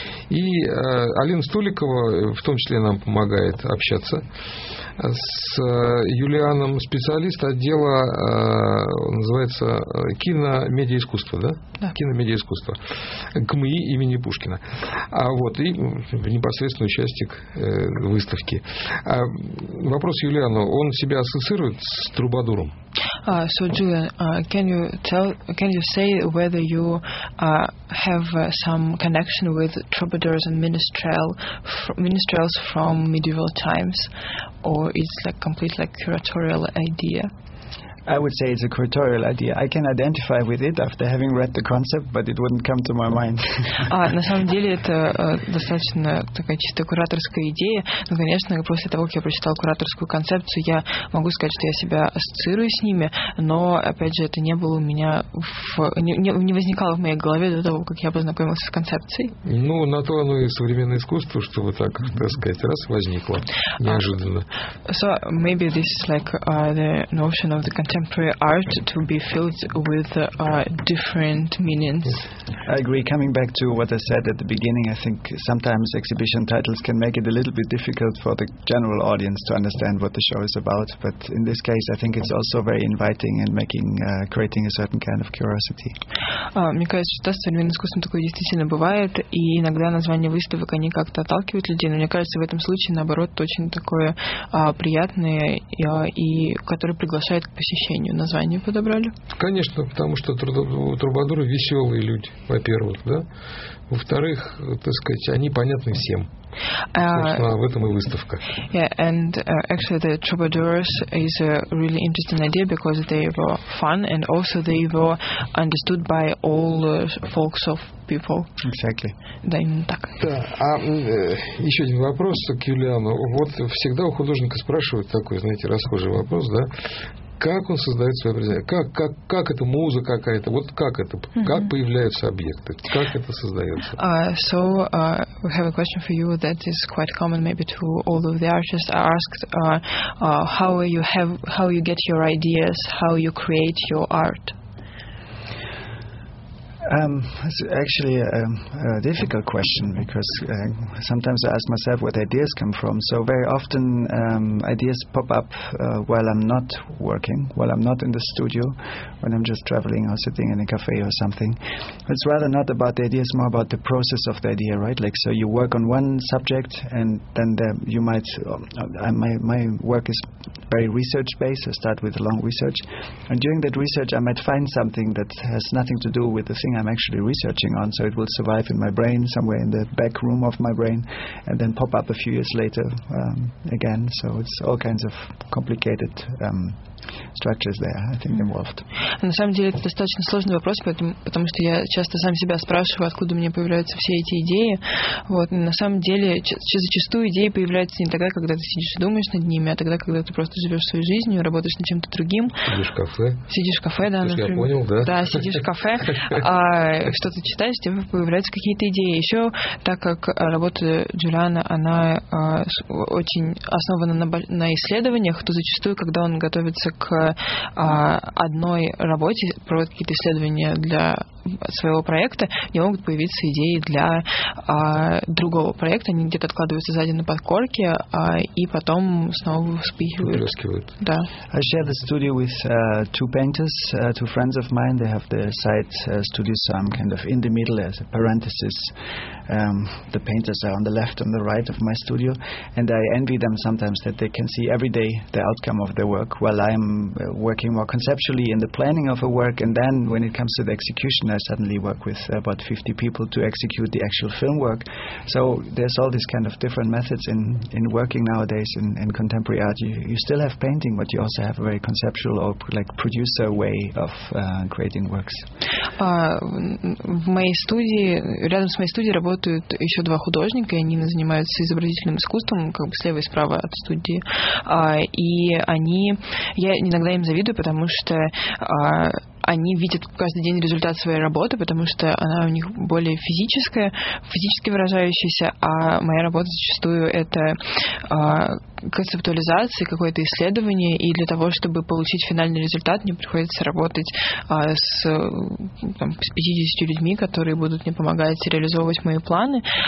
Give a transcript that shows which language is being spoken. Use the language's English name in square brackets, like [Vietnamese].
[Russian] И Алина Стуликова в том числе нам помогает общаться с Юлианом, специалист отдела называется киномедиаискусство, да? Да. Киномедиаискусство. КМИ имени Пушкина. А вот, и непосредственно участник выставки. А вопрос Юлиану. Он себя ассоциирует с Трубадуром? [English] So, Julian, can you say whether you have some connection with troubadours and minstrels from medieval times, or it's like complete like curatorial idea? I would say it's a curatorial idea. I can identify with it after having read the concept, but it wouldn't come to my mind. [Russian] На самом деле это достаточно такая чисто кураторская идея. Но, конечно, после того, как я прочитал кураторскую концепцию, я могу сказать, что я себя ассоциирую с ними, но, опять же, это не было у меня, не возникало в моей голове до того, как я познакомился с концепцией. Ну, на то оно и современное искусство, чтобы так, так сказать, раз, возникло неожиданно. [English] So, maybe this is like the notion of the contemporary art to be filled with different meanings. I agree. Coming back to what I said at the beginning, I think sometimes exhibition titles can make it a little bit difficult for the general audience to understand what the show is about. But in this case, I think it's also very inviting and making creating a certain kind of curiosity. [Russian] Мне кажется, что современное искусство такое действительно бывает, и иногда названия выставок, они как-то отталкивают людей. Но мне кажется, в этом случае, наоборот, очень такое приятное, и которое приглашает к посещению. Название подобрали? Конечно, потому что трубадуры веселые люди, во-первых, да? Во-вторых, так сказать, они понятны всем. Собственно, об этом и выставка. [English] Yeah, and actually the troubadours is a really interesting idea because they were fun and also they were understood by all folks of people. Exactly. [Russian] Да, именно так. Да. А еще один вопрос к Юлиану. Вот всегда у художника спрашивают такой, знаете, расхожий вопрос, да? Как он создает свое произведение? Как это муза какая-то? Вот как это? Mm-hmm. Как появляются объекты? Как это создается? [English] We have a question for you that is quite common, maybe to all of the artists. I asked how you get your ideas, how you create your art. It's actually a difficult question because sometimes I ask myself where the ideas come from. So very often ideas pop up while I'm not working, while I'm not in the studio, when I'm just traveling or sitting in a cafe or something. It's rather not about the ideas, more about the process of the idea, right? Like, so you work on one subject and then my work is very research-based. I start with a long research. And during that research, I might find something that has nothing to do with the thing I'm actually researching on, so it will survive in my brain, somewhere in the back room of my brain, and then pop up a few years later again. So it's all kinds of complicated structures there, I think, involved. [Russian] На самом деле это достаточно сложный вопрос, потому что я часто сам себя спрашиваю, откуда у меня появляются все эти идеи. Вот, на самом деле зачастую идеи появляются не тогда, когда ты сидишь и думаешь над ними, а тогда, когда ты просто живешь своей жизнью, работаешь над чем-то другим. Сидишь в кафе, да, например. Я понял, да. Да, сидишь в кафе, а что-то читаешь, тебе появляются какие-то идеи. Еще, так как работа Джулиана, она очень основана на исследованиях, то зачастую, когда он готовится к одной работе, проводит какие-то исследования для своего проекта, у него могут появиться идеи для другого проекта. Они где-то откладываются сзади на подкорке, и потом снова вспыхивают. Да. [English] I share the studio with two painters, two friends of mine. They have their side studio, so I'm kind of in the middle as a parenthesis. The painters are on the left and the right of my studio, and I envy them sometimes that they can see every day the outcome of their work, while I'm working more conceptually in the planning of a work, and then when it comes to the execution, I suddenly work with about 50 people to execute the actual film work. So there's all these kind of different methods in working nowadays in contemporary art. You still have painting, but you also have a very conceptual or like producer way of creating works. [Russian] Рядом с моей студией работают еще два художника, и они занимаются изобразительным искусством, как бы слева и справа от студии. Я иногда им завидую, потому что они видят каждый день результат своей работы, потому что она у них более физическая, физически выражающаяся, а моя работа зачастую это концептуализация, какое-то исследование, и для того, чтобы получить финальный результат, мне приходится работать с 50 людьми, которые будут мне помогать реализовывать мои планы.